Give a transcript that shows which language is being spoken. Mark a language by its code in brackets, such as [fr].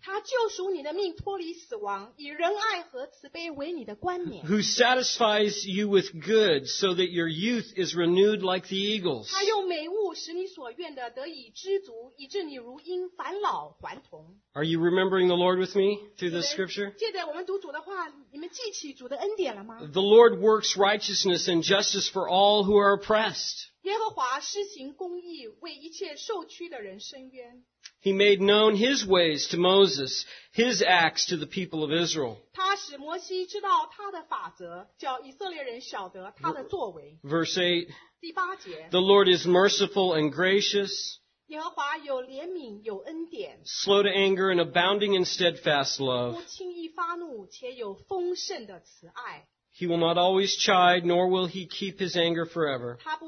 [zh] 他救赎你的命，脱离死亡，以仁爱和慈悲为你的冠冕。 [en] Who satisfies you with good so that your youth is renewed like the eagles. [zh] 他用美物使你所愿的得以知足，以致你如鹰返老还童。 [en] Are you remembering the Lord with me through this scripture? [zh] 借着我们读主的话，你们记起主的恩典了吗？ [en] The Lord works righteousness and justice for all who are oppressed. [zh] 耶和华施行公义，为一切受屈的人伸冤。 [en] He made known His ways to Moses, His acts to the people of Israel. [zh] 他使摩西知道他的法则，叫以色列人晓得他的作为。 [en] Verse 8. [zh] 第八节。 [en] The Lord is merciful and gracious. [zh] 耶和华有怜悯，有恩典。 [en] Slow to anger and abounding in steadfast love. [zh] 不轻易发怒，且有丰盛的慈爱。 [en] He will not always chide, nor will he keep his anger forever.